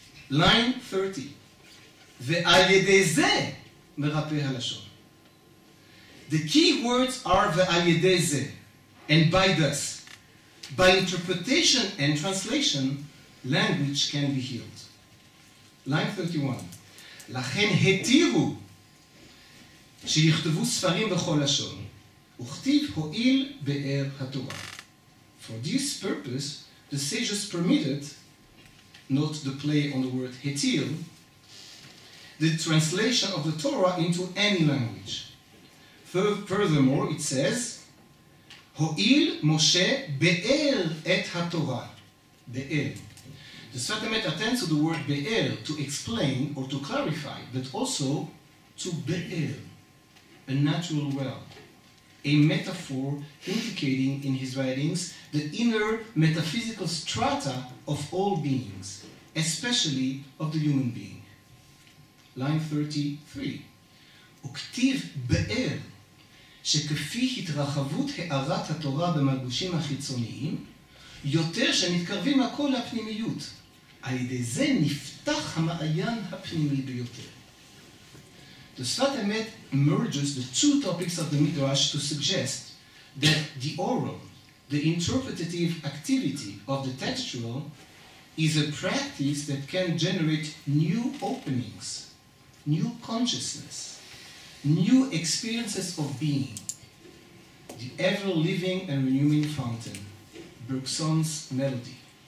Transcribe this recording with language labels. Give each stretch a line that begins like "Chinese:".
English: Line 30.
Hebrew: Ve'al yedei ze merapei halashon.
English: The key words are ve'al yedei ze, and by thus, by interpretation and translation, language can be healed. Line 31.
Hebrew: לכן התירו שיכתבו ספרים בכל לשון וכתיב הועיל באר התורה.
English: For this purpose, the sages permitted, not the play on the word התיר, the translation of the Torah into any language. Furthermore, it says,
Hebrew: הועיל משה באר את התורה. באר.
English: The Sfat Emet attends to the word be'er, to explain or to clarify, but also to be'er, a natural well. a metaphor indicating in his writings the inner metaphysical strata of all beings, especially of the human being. Line 33.
Hebrew: וכתיב באר שכפי התרחבות הערת התורה במלבושים החיצוניים, יותר שמתקרבים הכל לפנימיות. על ידי זה נפתח המעיין הפנימי ביותר.
English: The Sfat Emet merges the two topics of the Midrash to suggest that the oral, the interpretative activity of the textual, is a practice that can generate new openings, new consciousness, new experiences of being, the ever-living and renewing fountain, Bergson's melody.